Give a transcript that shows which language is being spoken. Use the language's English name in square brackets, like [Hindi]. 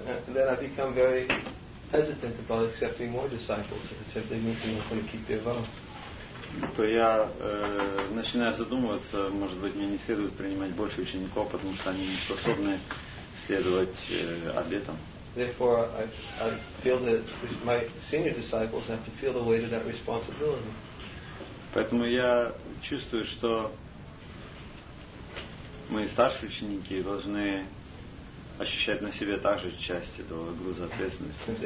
[English] Then I become very hesitant about accepting more disciples if it simply means I'm not going to keep their vows. [Russian] То я начинаю задумываться, может быть, мне не следует принимать больше учеников, потому что они не способны следовать обетам. [English] Therefore, I feel that my senior disciples have to feel the weight of that responsibility. [Russian] Поэтому я чувствую, что мои старшие ученики должны ощущать на себе также часть этого груза ответственности.